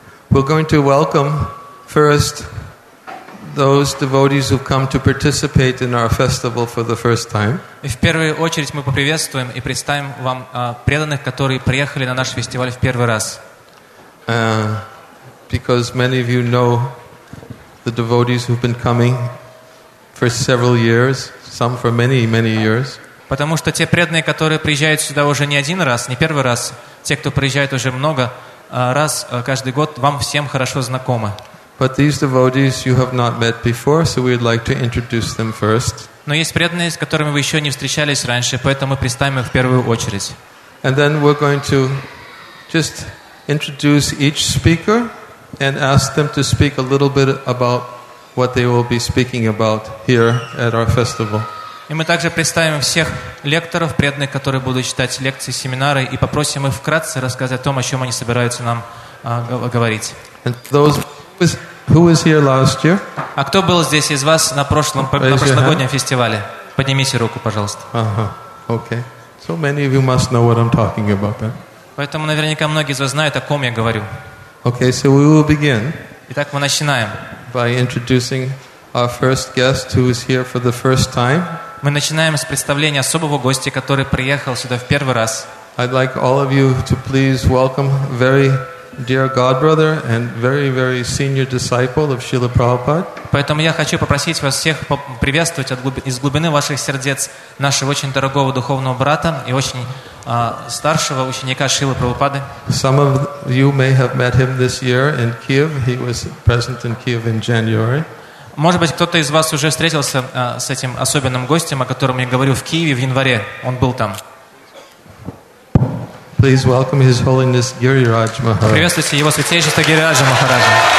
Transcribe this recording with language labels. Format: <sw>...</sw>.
<en>We're going to welcome first those devotees who've come to participate in our festival for the first time.</en> <ru>В первую очередь мы поприветствуем и представим вам преданных, которые приехали на наш фестиваль в первый раз.</ru> <en>Because many of you know the devotees who've been coming for several years, some for many, many years.</en> <ru>Потому что те преданные, которые приезжают сюда уже не один раз, не первый раз, те, кто приезжает уже много раз каждый год, вам всем хорошо знакомы.</ru> <en>But these devotees you have not met before, so we'd like to introduce them first.</en> <ru>Но есть преданные, с которыми вы еще не встречались раньше, поэтому представим их в первую очередь.</ru> <en>And then we're going to just introduce each speaker and ask them to speak a little bit about what they will be speaking about here at our festival.</en> <ru>И мы также представим всех лекторов, преданных, которые будут читать лекции, семинары, и попросим их вкратце рассказать о том, о чем они собираются нам говорить.</ru> <en>And those who was here last year?</en> <ru>А кто был здесь из вас на прошлом прошлогоднем фестивале? Поднимите руку, пожалуйста.</ru> <en>Okay. So many of you must know what I'm talking about, then.</en> <ru>Поэтому наверняка многие из вас знают, о ком я говорю.</ru> <en>Okay, so we will begin.</en> <ru>Итак, мы начинаем.</ru> <en>By introducing our first guest, who is here for the first time.</en> <ru>Мы начинаем с представления особого гостя, который приехал сюда в первый раз.</ru> <en>I'd like all of you to please welcome very dear godbrother and very, very senior disciple of Srila Prabhupada.</en> <ru>Поэтому я хочу попросить вас всех приветствовать из глубины ваших сердец нашего очень дорогого духовного брата и очень старшего ученика Шрилы Прабхупады.</ru> <en>Some of you may have met him this year in Kiev. He was present in Kiev in January.</en> <ru>Может быть, кто-то из вас уже встретился с этим особенным гостем, о котором я говорю, в Киеве в январе. Он был там.</ru> <en>Please welcome His Holiness Giriraj Maharaj.</en> <ru>Приветствуйте Его Святейшество Гирираджа Махараджа.</ru>